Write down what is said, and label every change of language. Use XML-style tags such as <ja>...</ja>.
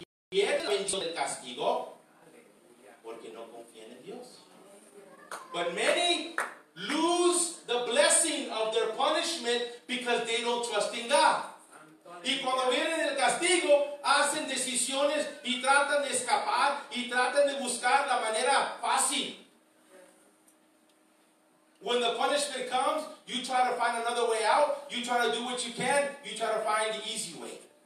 <es>pierde la bendición del castigo porque no confía en Dios.</es> <en>But many lose the blessing of their punishment because they don't trust in God.</en> <es>Y cuando vienen el castigo, hacen decisiones y tratan de escapar y tratan de buscar la manera fácil.</es> <en>When the punishment comes, you try to find another way out, you try to do what you can, you try to find the easy way.</en>